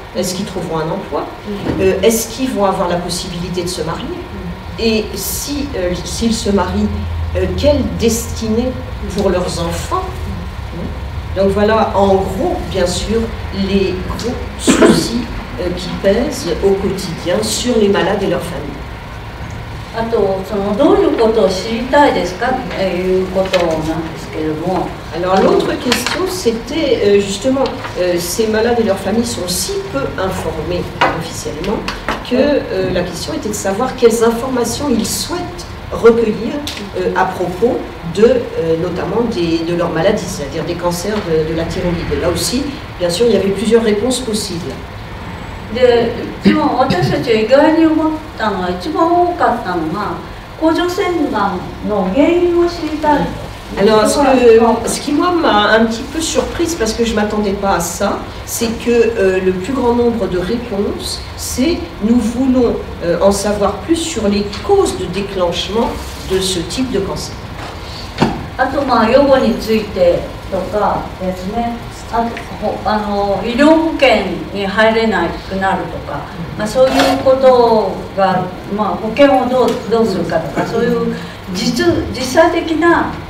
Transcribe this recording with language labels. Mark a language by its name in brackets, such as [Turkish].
[French] Est-ce qu'ils trouveront un emploi? Est-ce qu'ils vont avoir la possibilité de se marier? Et si, s'ils se marient, quelle destinée pour leurs enfants? Donc voilà, en gros, bien sûr, les gros soucis qui pèsent au quotidien sur les malades et leurs familles. [Japanese] あと、その、どういうことを知りたいですか？ということなんですけれども。 [French] Alors, l'autre question, c'était justement, ces malades et leurs familles sont si peu informés officiellement que la question était de savoir quelles informations ils souhaitent recueillir à propos de, notamment, de leurs maladies, c'est-à-dire des cancers de la thyroïde. Là aussi, bien sûr, il y avait plusieurs réponses possibles. [Japanese] で、一番私たちが意外に思ったのは、一番多かったのは、甲状腺がんの原因を知りたい。 [French] Alors, ce qui moi m'a un petit peu surprise, parce que je ne m'attendais pas à ça, c'est que le plus grand nombre de réponses, c'est « nous voulons en savoir plus sur les causes de déclenchement de ce type de cancer ». [Japanese] あと、まあ、予防についてとかですね。あと、あの、医療保険に入れなくなるとか、まあ、そういうことが、まあ、保険をどうするかとか、そういう実際的な